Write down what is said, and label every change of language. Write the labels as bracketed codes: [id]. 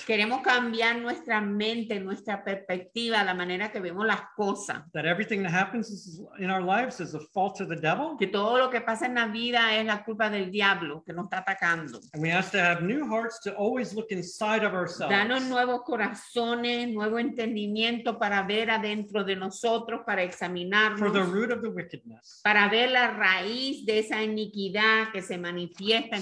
[es] Queremos cambiar nuestra mente, nuestra perspectiva, la manera que vemos las cosas. [en] That everything that happens in our lives is the fault of the devil. [es] Que todo lo que pasa en la vida es la culpa del diablo que nos está atacando. [en] And we ask to have new hearts to always look inside of ourselves. [es] Danos nuevos corazones, nuevo entendimiento para ver adentro de nosotros, para examinarnos. [en] For the root of the wickedness. [es] Para ver la raíz de esa iniquidad que se manifiesta en